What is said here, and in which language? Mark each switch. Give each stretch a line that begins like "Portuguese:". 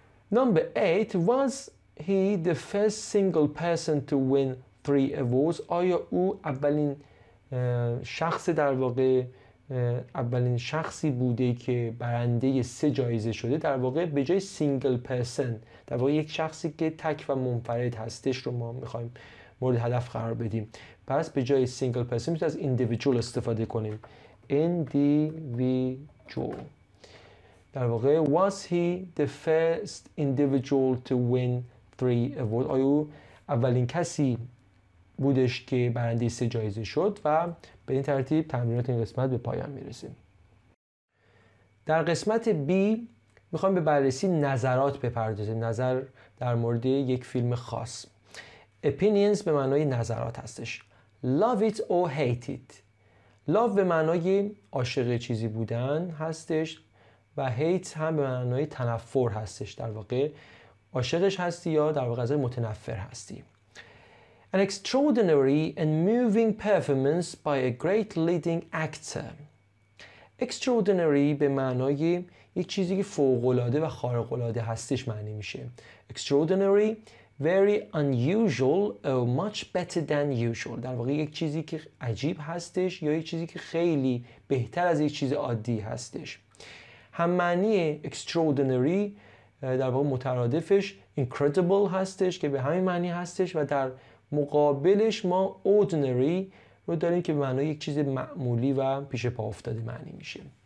English: Number 8, was he the first single person to win 3 awards?
Persian: آیا او اولین شخص در واقع اولین شخصی بوده که برنده 3 جایزه شده؟ در واقع به جای single person، در واقع یک شخصی که تک و منفرد هستش رو ما میخواییم مورد هدف قرار بدیم، پس به جای single person میتونیم از individual استفاده کنیم.
English: Individual.
Persian: در واقع
English: was he the first individual to win 3 awards؟
Persian: آیا او اولین کسی بودش که برنده 3 جایزه شد؟ و به این ترتیب تمرینات این قسمت به پایان میرسیم. در قسمت B میخوایم به بررسی نظرات بپردازیم. نظر در مورد یک فیلم خاص. Opinions به معنای نظرات هستش.
English: Love it or hate it.
Persian: Love به معنای عاشق چیزی بودن هستش و hate هم به معنای تنفر هستش. در واقع عاشقش هستی یا در واقع ازش متنفر هستی.
English: An extraordinary and moving performance by a great leading actor.
Persian: Extraordinary به معنای یک چیزی که فوق‌العاده و خارق‌العاده هستش معنی میشه.
English: Extraordinary, very unusual or much better than usual.
Persian: در واقع یک چیزی که عجیب هستش یا یک چیزی که خیلی بهتر از یک چیز عادی هستش. هم معنی extraordinary در واقع مترادفش incredible هستش که به همین معنی هستش و در مقابلش ما ordinary رو داریم که به معنی یک چیز معمولی و پیش پا افتاده معنی میشه.